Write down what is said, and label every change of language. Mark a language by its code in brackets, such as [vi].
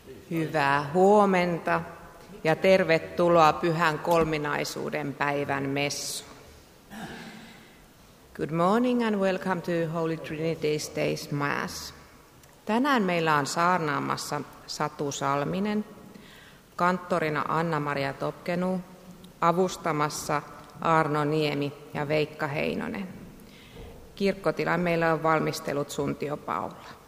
[fi] Hyvää huomenta ja tervetuloa Pyhän Kolminaisuuden päivän messu. [en] Good morning and welcome to Holy Trinity's Day's Mass. [fi] Tänään meillä on saarnaamassa Satu Salminen, kanttorina Anna-Maria Topkenu, avustamassa Arno Niemi ja Veikka Heinonen. Kirkkotilan meillä on valmistellut Suntio Paula.